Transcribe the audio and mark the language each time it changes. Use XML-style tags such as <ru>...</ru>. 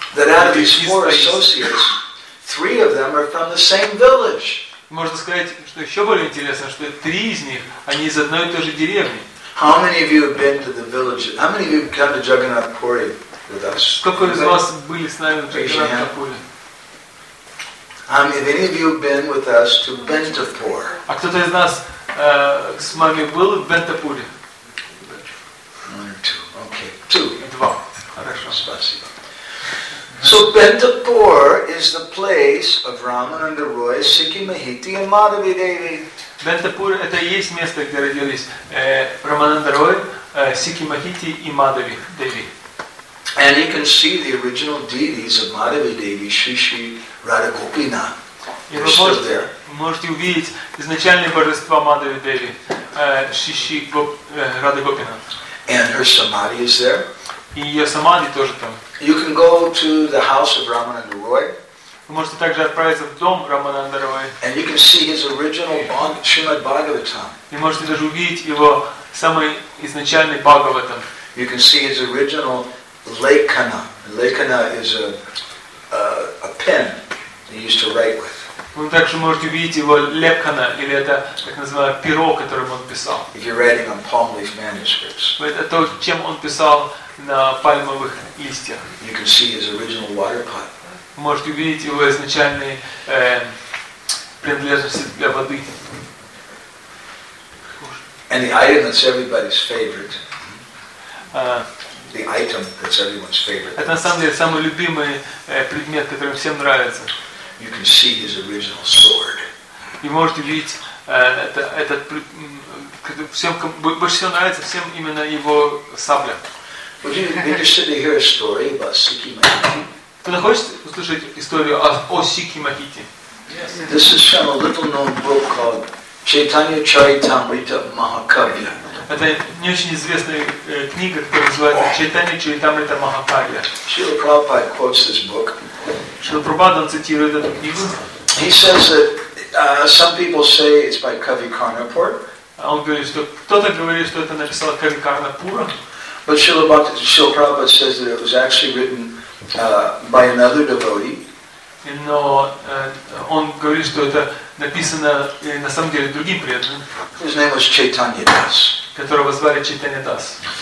<en>That out of these four associates, three of them are from the same village.</en> <ru>Можно сказать, что еще более интересно, что три из них, они из одной и той же деревни.</ru> <en>How many of you have been to the village? How many of you have come to Jagannath Puri with us?</en> <ru>Сколько из вас были с нами в Джаганатхапуре?</ru> <en>How many have any of you been with us to Bentapur?</en> <ru>А кто-то из нас с вами был в Бентапуре?</ru> <en>One or two. Okay. Two.</en> <ru>Два. Хорошо. Спасибо.</ru> <en>So Bentapur is the place of Ramananda Roy, Sikhi Mahiti, and Madhavi Devi.</en> <ru>Бентапур – это и есть место, где родились Рамананда Рой, Сикхи Махити и Мадхави Деви.</ru> <en>And you can see the original deities of Madhavi Devi, Shri Shri Radha Gopina. They're still there.</en> <ru>Вы можете увидеть изначальные божества Мадхави Деви, Шри Шри Радха Гопина.</ru> <en>And her samadhi is there.</en> <ru>И ее самадхи тоже там.</ru> <en>You can go to the house of Ramananda Roy.</en> <ru>Вы можете также отправиться в дом Рамананда Рой.</ru> <en>And you can see his original Srimad Bhagavatam.</en> <ru>Вы можете даже увидеть его самый изначальный Бхагаватам.</ru> <en>You can see his original Lekhana. Lekhana is a pen he used to write with.</en> <ru>Вы также можете увидеть его Лепхана, или это так называемое перо, которым он писал.</ru> <en>If you're writing on palm leaf manuscripts.</en> <ru>Это то, чем он писал на пальмовых листьях.</ru> <en>You can see his original water pot.</en> <ru>Можете увидеть его изначальные принадлежности для воды.</ru> <en>And the item that's everybody's favorite. The item that's everyone's favorite.</en> <ru>Это на самом деле самый любимый предмет, который всем нравится.</ru> <en>You can see his original sword.</en> <ru>Вы можете видеть этот всем больше всего нравится всем именно его сабля.</ru> <en>Would you be interested to hear a story about Sikhi Mahiti?</en> <ru>Кто-то хочет услышать историю о Сикхи Махити?</ru> <en>Yes. This is from a little-known book called Chaitanya Charitamrita Mahakavya.</en> <ru>Это не очень известная книга, которая называется Chaitanya Charitamrita Mahakavya.</ru> <en>Srila Prabhupada quotes this book.</en> <ru>Srila Prabhupada цитирует эту книгу.</ru> <en>He says that some people say it's by Kavi Karnapur.</en> <ru>Он говорит, что кто-то говорит, что это написал Кави Карнапура.</ru> <en>But Srila Prabhupada says that it was actually written by another devotee.</en> <ru>Но он говорит, что это написано на самом деле другим преданным.</ru> <en>His name was Chaitanya Das.</en> <ru>Которого звали Чайтанья Дас.</ru>